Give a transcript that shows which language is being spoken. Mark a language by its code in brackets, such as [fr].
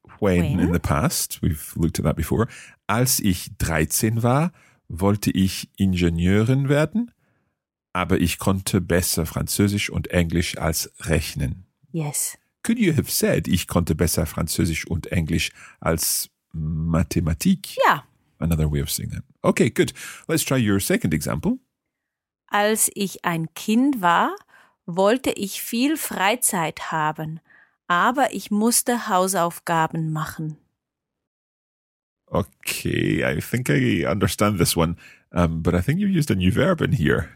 [en] When in the past, we've looked at that before. [de] Als ich 13 war, wollte ich Ingenieurin werden, aber ich konnte besser Französisch und Englisch als rechnen. [en] Yes. Could you have said, [de] ich konnte besser Französisch und Englisch als Mathematik? [en] Yeah. Another way of saying that. Okay, good. Let's try your second example. [de] Als ich ein Kind war, wollte ich viel Freizeit haben, aber ich musste Hausaufgaben machen. [en] Okay, I think I understand this one, but I think you used a new verb in here.